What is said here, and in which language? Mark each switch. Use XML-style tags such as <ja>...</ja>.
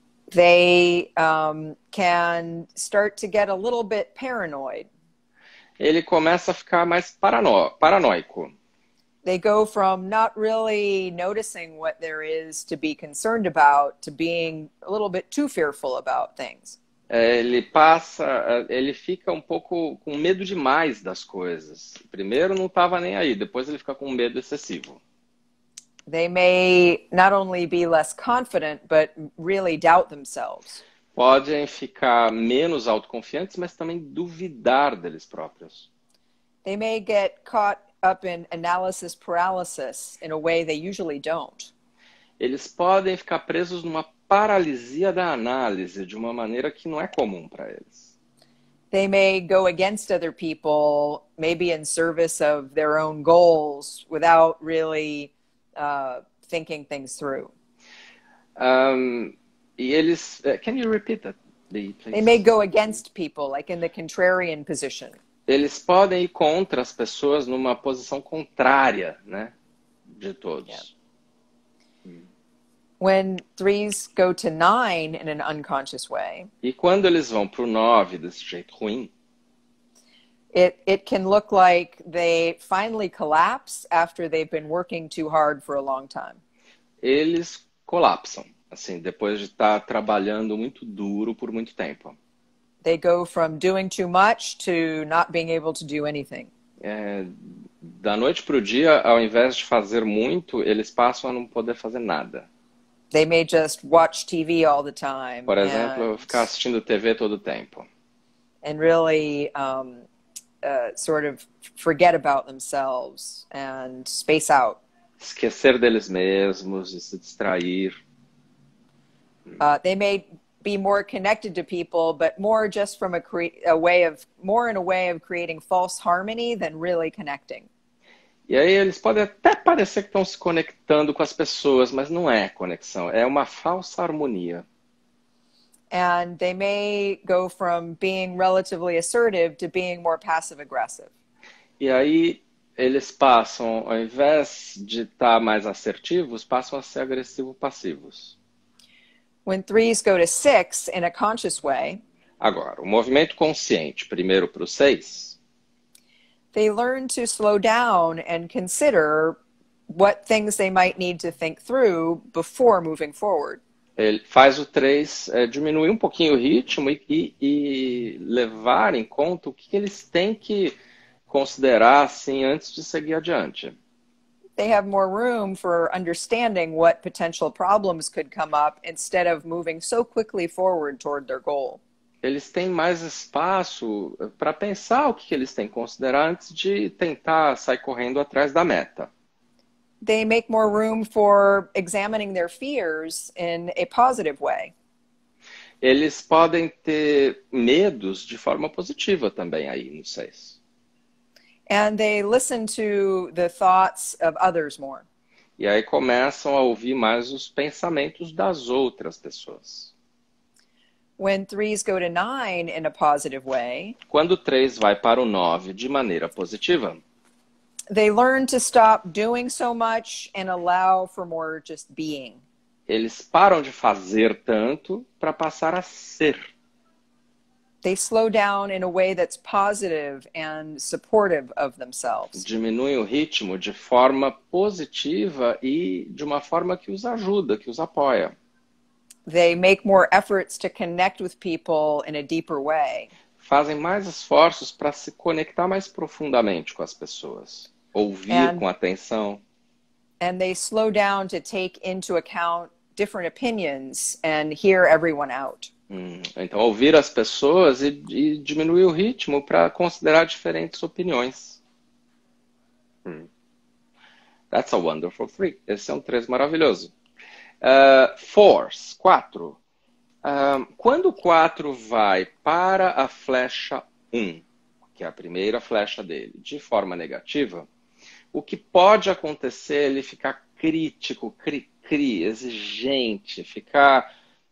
<en>they can start to get a little bit paranoid.</en> <pt>ele começa a ficar mais paranoico.</pt> <en>They go from not really noticing what there is to be concerned about to being a little bit too fearful about things.</en> <pt>Ele passa, ele fica um pouco com medo demais das coisas. Primeiro não estava nem aí, depois ele fica com medo excessivo.</pt> <en>They may not only be less confident, but really doubt themselves.</en> <pt>Podem ficar menos autoconfiantes, mas também duvidar deles próprios.</pt> <en>They may get caught up in analysis paralysis in a way they usually don't.</en> <pt>Eles podem ficar presos numa paralisia da análise de uma maneira que não é comum para eles.</pt> <en>They may go against other people, maybe in service of their own goals, without really thinking things through.</en> <pt>E eles,</pt> <en>can you repeat that, They may please? go against people, like in the contrarian position.</en> <pt>Eles podem ir contra as pessoas numa posição contrária, né, de</pt> <en>Yeah.</en> <pt>todos.</pt> <en>When threes go to nine in an unconscious way,</en> <pt>E quando eles vão para o 9 desse jeito ruim,</pt> <en>it can look like they finally collapse after they've been working too hard for a long time.</en> <pt>eles colapsam, assim, depois de estar trabalhando muito duro por muito tempo.</pt> <en>They go from doing too much to not being able to do anything.</en> <pt>Da noite para o dia, ao invés de fazer muito, eles passam a não poder fazer nada.</pt> <en>They may just watch TV all the time</en> <pt>Por exemplo, ficar assistindo TV todo o tempo.</pt> <en>and really sort of forget about themselves and space out.</en> <pt>Esquecer deles mesmos e se distrair.</pt> <en>They may be more connected to people, but more just from a way of more in a way of creating false harmony than really connecting.</en> <pt>E aí eles podem até parecer que estão se conectando com as pessoas, mas não é conexão, é uma falsa harmonia.</pt> <en>And they may go from being relatively assertive to being more passive aggressive.</en> <pt>E aí eles passam, ao invés de estar mais assertivos, passam a ser agressivos-passivos.</pt> <en>When threes go to six in a conscious way,</en> <pt>Agora, o movimento consciente, primeiro para o 6.</pt> <en>they learn to slow down and consider what things they might need to think through before moving forward.</en> <pt>Ele faz o 3 diminuir um pouquinho o ritmo e levar em conta o que eles têm que considerar assim antes de seguir adiante.</pt> <en>They have more room for understanding what potential problems could come up instead of moving so quickly forward toward their goal.</en> <pt>Eles têm mais espaço para pensar o que eles têm que considerar antes de tentar sair correndo atrás da meta.</pt> <en>They make more room for examining their fears in a positive way.</en> <pt>Eles podem ter medos de forma positiva também aí, não sei.</pt> <en>And they listen to the thoughts of others more.</en> <pt>E aí começam a ouvir mais os pensamentos das outras pessoas.</pt> <en>When threes go to nine in a positive way,</en> <pt>Quando o 3 vai para o 9 de maneira positiva,</pt> <en>they learn to stop doing so much and allow for more just being.</en> <pt>eles param de fazer tanto para passar a ser.</pt> <en>They slow down in a way that's positive and supportive of themselves.</en> <pt>Diminuem o ritmo de forma positiva e de uma forma que os ajuda, que os apoia.</pt> <en>They make more efforts to connect with people in a deeper way.</en> <pt>Fazem mais esforços para se conectar mais profundamente com as pessoas, ouvir com atenção.</pt> <en>And they slow down to take into account different opinions and hear everyone out.</en> <pt>Então, ouvir as pessoas e diminuir o ritmo para considerar diferentes opiniões.</pt> <en>That's a wonderful three.</en> <pt>Esse é um três maravilhoso. Fours, quatro. Quando o quatro vai para a flecha um, que é a primeira flecha dele, de forma negativa, o que pode acontecer é ele ficar crítico, cri-cri, exigente, ficar.</pt>